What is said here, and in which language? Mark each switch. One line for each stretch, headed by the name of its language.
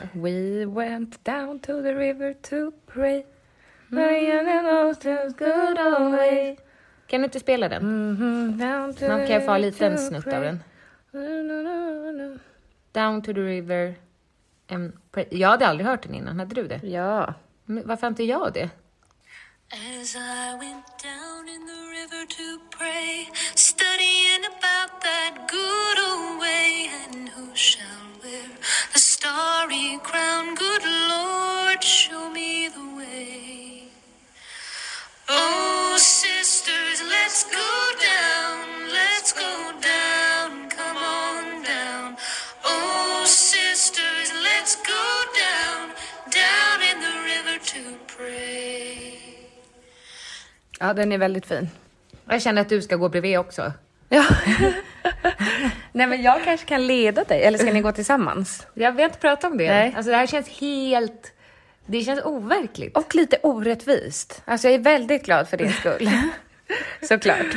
English: We went down to the river to pray. Mm. Good old ways.
Swedish: Kan du inte spela den? Mm-hmm. Man kan få en liten snutt av den.
English: Down to the river.
Swedish: Jag hade aldrig hört den innan, hade du det? Ja. Men varför inte jag det?
English: As I went down in the river to pray, studying about that good old way, and who shall wear the starry crown? Good Lord, show me the way. Oh, sisters, let's go down, let's go down, come on down. Oh, sisters, let's go down, down in the river to pray.
Swedish: Ja, den är väldigt fin. Jag känner att du ska gå bredvid också. Ja. Nej, men jag kanske kan leda dig. Eller ska ni gå tillsammans? Jag vill inte prata om det. Nej. Alltså det här känns helt... Det känns overkligt. Och lite orättvist. Alltså jag är väldigt glad för din skull. Såklart.